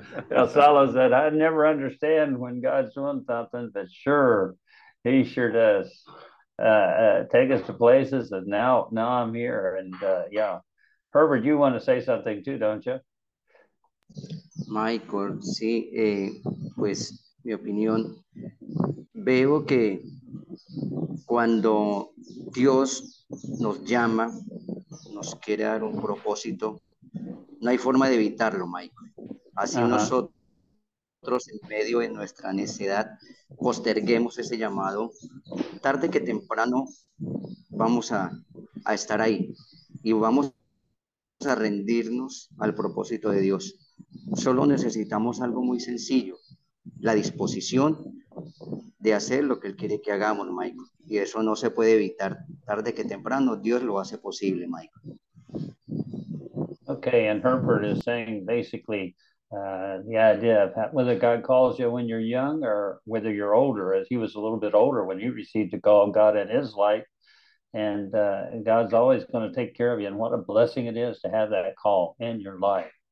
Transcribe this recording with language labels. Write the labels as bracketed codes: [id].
[en] Well, Salo said, I never understand when God's doing something, but sure, he sure does. Take us to places and now I'm here. And yeah, Herbert, you want to say something too, don't you? [es] Michael, sí, pues... Mi opinión, veo que cuando Dios nos llama, nos quiere dar un propósito, no hay forma de evitarlo, Michael. Así nosotros en medio de nuestra necedad posterguemos ese llamado, tarde que temprano vamos a estar ahí y vamos a rendirnos al propósito de Dios. Solo necesitamos algo muy sencillo, la disposición de hacer lo que Él quiere que hagamos, Michael. Y eso no se puede evitar. Tarde que temprano, Dios lo hace posible, Michael. [en] Okay, and Herbert is saying basically the idea of whether God calls you when you're young or whether you're older, as he was a little bit older when he received the call of God in his life. And God's always going to take care of you. And what a blessing it is to have that call in your life.